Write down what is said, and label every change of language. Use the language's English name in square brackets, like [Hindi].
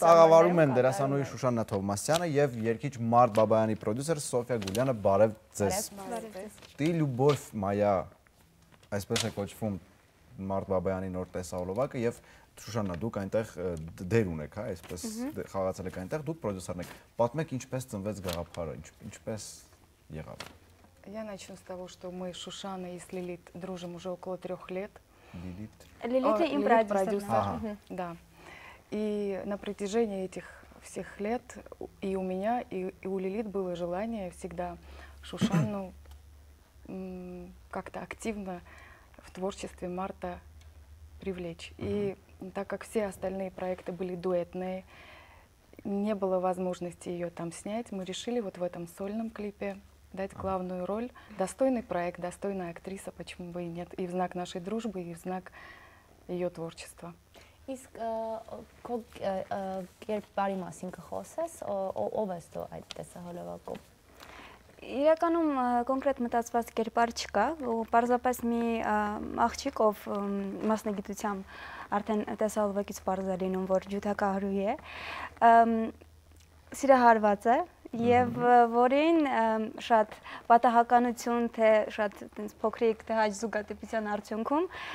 [Armenian] տաղավարում են դերասանուհի Շուշաննա Թովմասյանը եւ երգիչ Մարտ Բաբայանի պրոդյուսեր Սոֆիա Գուլյանը, բարև ձեզ։ Ты любовь моя, այսպես է կոչվում Մարտ Բաբայանի նոր տեսահոլովակը, եւ Շուշաննա, դուք այնտեղ դեր ունեք, հա, այսպես խաղացել եք այնտեղ, դուք պրոդյուսերն եք։ Պատմեք, ինչպես ծնվեց գաղափարը, ինչպես եղավ։ [Russian] Я начну с того, что мы с Шушаной и Лилит дружим уже около 3 лет. Лилит. Лилит и продюсер. Да. И на протяжении этих всех лет и у меня, и у Лилит было желание всегда Шушанну как-то активно в творчестве Марта привлечь. И так как все остальные проекты были дуэтные, не было возможности ее там снять, мы решили вот в этом сольном клипе дать главную роль. Достойный проект, достойная актриса, почему бы и нет. И в знак нашей дружбы, и в знак ее творчества. [Armenian] Իսկ քոք երբ բարի մասին կխոսես, ով ես դու այդ տեսահոլովակում? Իրականում կոնկրետ մտածված կերպար չկա, պարզապես մի աղջիկ, ով մասնագիտությամբ արդեն տեսահոլովակից պարզ է լինում, որ ջութակահարուհի է, սիրահարված է, և որին շատ պատահականություն, թե շատ տենց փոքրիկ, թե հաճ զուգատիպության արդյունքում